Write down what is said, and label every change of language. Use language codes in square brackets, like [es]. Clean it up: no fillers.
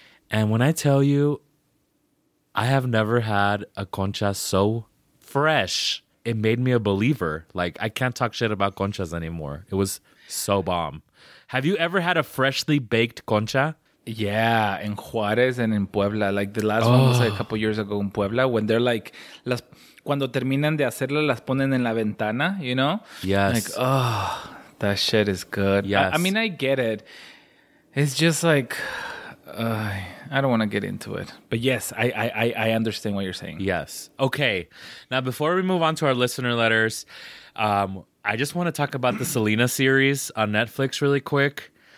[en] And when I tell you, I have never had a concha so fresh. It made me a believer. Like, I can't talk shit about conchas anymore. It was so bomb. Have you ever had a freshly baked concha? Yeah, in Juarez and in Puebla. Like, the last one was like a couple years ago in Puebla when they're like, las. [es] Cuando terminan de hacerla, las ponen en la ventana, [en] you know? Yes. Like, oh, that shit is good. Yes. I mean, I get it. It's just like, I don't want to get into it. But yes, I understand what you're saying. Yes. Okay. Now, before we move on to our listener letters, I just want to talk about the Selena series on Netflix really quick.